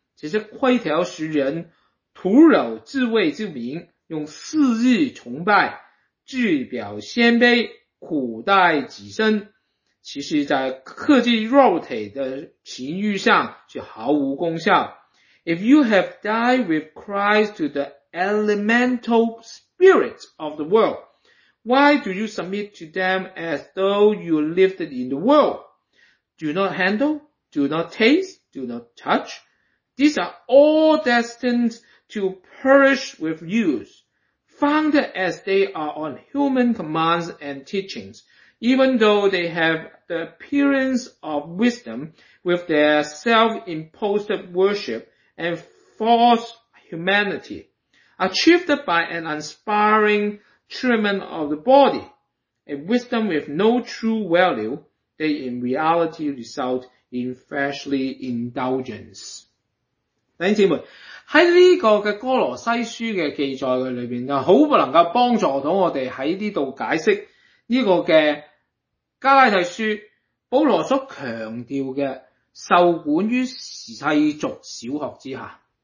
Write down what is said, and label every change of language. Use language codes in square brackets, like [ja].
[zh] 这些规条使人徒留自慰之名，用私欲崇拜，自表谦卑，苦待己身，其实在克制肉体的情欲上就毫无功效。 [en] If you have died with Christ to the elemental spirits of the world, why do you submit to them as though you lived in the world? Do not handle, do not taste, do not touch. These are all destined to perish with use, founded as they are on human commands and teachings, even though they have the appearance of wisdom with their self-imposed worship and false humanity, achieved by an unsparing treatment of the body, a wisdom with no true value, they in reality result in fleshly indulgence. [zh] 弟兄姊妹，在这个的哥罗西书的记载里面，很不能够帮助到我们在这里解释这个的加拉太书保罗所强调的受管于世俗小学之下。